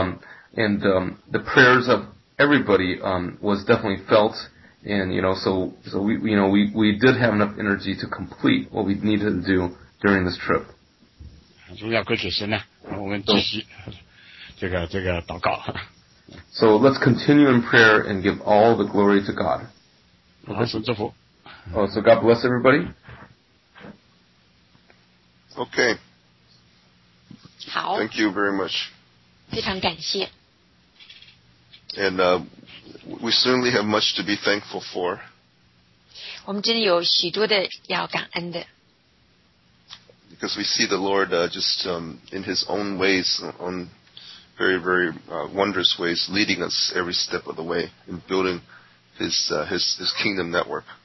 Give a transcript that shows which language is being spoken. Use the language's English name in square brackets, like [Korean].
[English] the prayers of everybody was definitely felt, and you know, so we, you know, we did have enough energy to complete what we needed to do during this trip. [Chinese] 荣耀归主神啊，我们继续这个祷告。So [English] let's continue in prayer and give all the glory to God. [Chinese] 好，神祝福。 [English] Oh, so God bless everybody. Okay. [Chinese] 好。 [English] Thank you very much. [Chinese] 非常感谢。 [English] And we certainly have much to be thankful for. [Chinese] 我们真的有许多的要感恩的。 [English] Because we see the Lord just in His own ways, on very, very wondrous ways, leading us every step of the way in building His kingdom network.